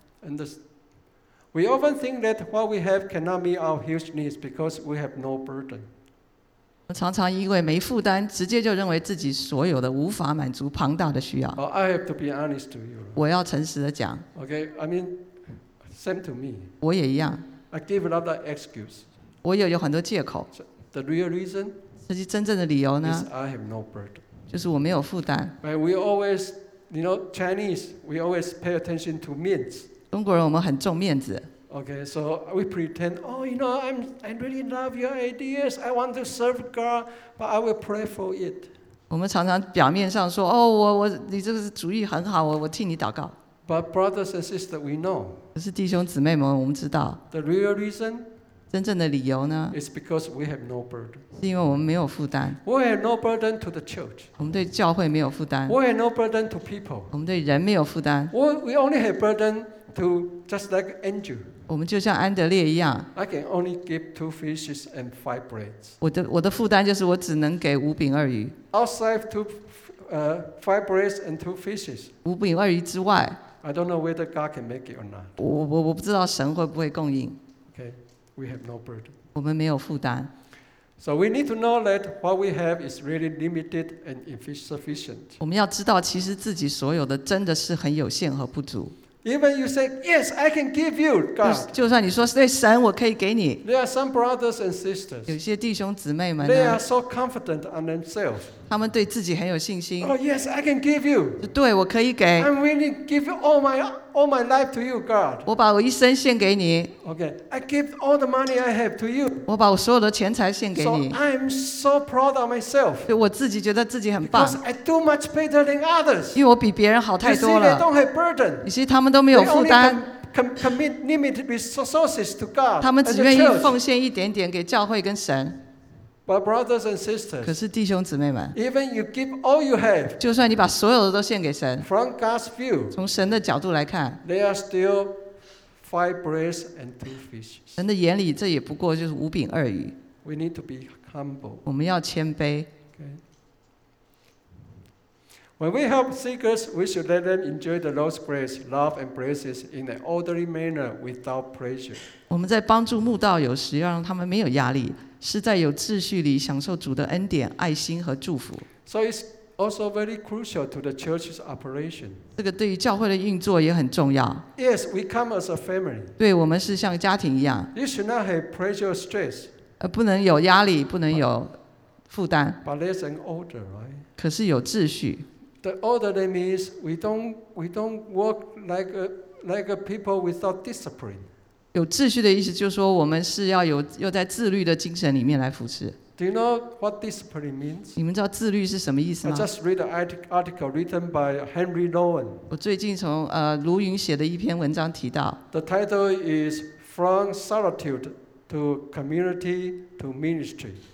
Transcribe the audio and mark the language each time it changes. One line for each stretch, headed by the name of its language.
English: ？And we often think that what we have cannot meet our huge needs because we have no burden.
Chinese: 我常常因为没负担，直接就认为自己所有的无法满足庞大的需要。
English: Oh, I have to be honest to you.
Chinese: 我要诚实的讲。
English: Okay, I mean, same to me.
Chinese: 我也一样。
English: I give a lot of excuses.
Chinese: 我也有很多借口。
English: The real reason?
Chinese: 实际真正的理由呢
English: ？Is I have no burden.
Chinese: 就是我没有负担。
English: But we always, you know, Chinese, we always pay attention to means.
Chinese: 中国人我们很重面子。
English: Okay, so we pretend. Oh, you know, I really love your ideas. I want to serve God, but I will pray for it.
Chinese: 我们常常表面上说，哦，我你这个主意很好，我替你祷告。
English: But brothers and sisters, we know.
Chinese: 可是弟兄姊妹们，我们知道。
English: The real reason.
Chinese: 真正的理由呢
English: ？Is because we have no burden.
Chinese: 是因为我们没有负担。
English: We have no burden to the church.
Chinese: 我们对教会没有负担。
English: We have no burden to people.
Chinese: 我们对人没有负担。
English: We only have burden. To just like Andrew,
Chinese: 我们就像安德烈一样。
English: I can only give 2 fishes and 5 breads.
Chinese: 我的负担就是我只能给5饼2鱼。
English: Outside two, five breads and 2 fishes.
Chinese: 5饼2鱼之外。
English: I don't know whether God can make it or not.
Chinese: 我不知道神会不会供应。
English: Okay, we have no burden.
Chinese: 我们没有负担。
English: So we need to know that what we have is really limited and insufficient.
Chinese: 我们要知道，其实自己所有的真的是很有限和不足。
English: Even you say yes, I can give you God.
Chinese: 就算你说对神，我可以给你。
English: There are some brothers and sisters.
Chinese: 有些弟兄姊妹们呢。
English: They are so confident on themselves.
Chinese: 他们对自己很有信心。
English: Oh yes, I can give you.
Chinese: 对，我可以给。
English: I'm willing to give all my life to you, God.
Chinese: 我把我一生献给你。
English: Okay, I give all the money I have to you.
Chinese: 我把我所有的钱财献给你。
English: So I'm so proud of myself.
Chinese: 对，我自己觉得自己很棒。
English: Because I do much better than others.
Chinese: 因为我比别人好太多了。
English: You see, they don't have burden.
Chinese: 你看，他们都没有负担。
English: Commit limited resources to God.
Chinese: 他们只愿意奉献一点点给教会跟神。
English: But brothers and sisters,
Chinese: 可是弟兄姊妹们，
English: even you give all you have,
Chinese: 就算你把所有的都献给神，
English: from God's view,
Chinese: 从神的角度来看，
English: there are still five bread and two fishes.
Chinese: 神的眼里这也不过就是五饼二鱼。
English: We need to be humble.
Chinese: 我们要谦卑。
English: Okay. When we help seekers, we should let them enjoy the Lord's grace, love and blessings in an orderly manner without pressure.
Chinese: 我们在帮助慕道友时，要让他们没有压力，是在有秩序里享受主的恩典、爱心和祝福。
English: So it's also very crucial to the church's operation.
Chinese: 这个对于教会的运作也很重要。
English: Yes, we come as a family.
Chinese: 对，我们是像家庭一样。
English: You should not have pressure or stress.
Chinese: 不能有压力，不能有负担。
English: But there's an order, right?
Chinese: 可是有秩序。
English: The order that means we don't work like a people without discipline.
Chinese: 有秩序的意思就是说，我们是要有又在自律的精神里面来服侍。
English: Do you know what discipline means?
Chinese: 你们知道自律是什么意思吗？
English: I just read an article written by Henry Nouwen.
Chinese: 我最近从卢云写的一篇文章提到。
English: The title is From Solitude to Community to Ministry.